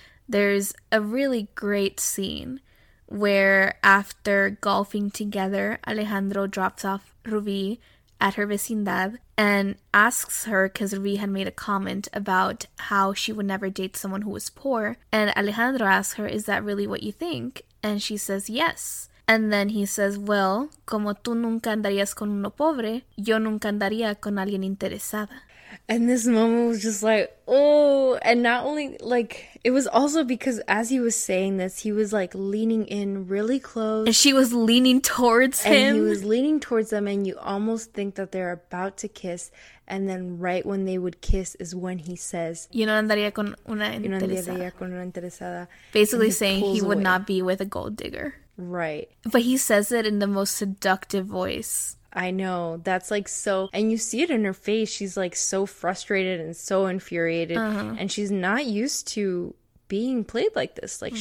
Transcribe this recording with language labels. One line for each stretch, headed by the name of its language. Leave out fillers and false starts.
English: There's a really great scene where after golfing together, Alejandro drops off Ruby at her vecindad and asks her, because Ruby had made a comment about how she would never date someone who was poor. And Alejandro asks her, is that really what you think? And she says, yes. And then he says, well,
Spanish: como tú nunca andarías con uno pobre, yo nunca andaría con alguien interesada.
English: And this moment was just like, oh, and not only, like, it was also because as he was saying this, he was, like, leaning in really close. And she was leaning towards him. And he was leaning towards them, and you almost think that they're about to kiss, and then right when they would kiss is when he says,
Spanish: yo no andaría con una interesada. Yo no andaría con una interesada.
English: Basically saying he would not be with a gold digger. Right. But he says it in the most seductive voice. I know, that's like so, and you see it in her face, she's like so frustrated and so infuriated, and she's not used to being played like this, like right.